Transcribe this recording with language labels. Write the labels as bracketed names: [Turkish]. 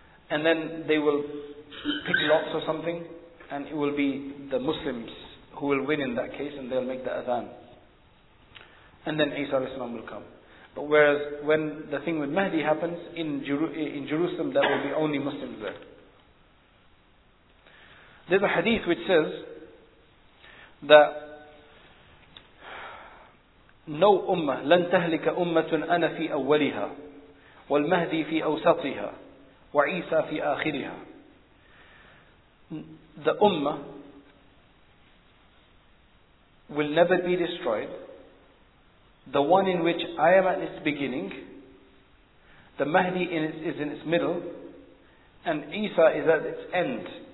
[English] And then they will pick lots or something, and it will be the Muslims who will win in that case, and they'll make the adhan. And then Isa alayhi salam will come. But whereas when the thing with Mahdi happens in Jerusalem, there will be only Muslims there. There's a hadith which says that no ummah, [Arabic] لن تهلك أمة أنا في أولها والمهدي في أوسطها وعيسى في آخرها. [English] The ummah will never be destroyed. The one in which I am at its beginning, the Mahdi is in its middle, and Isa is at its end.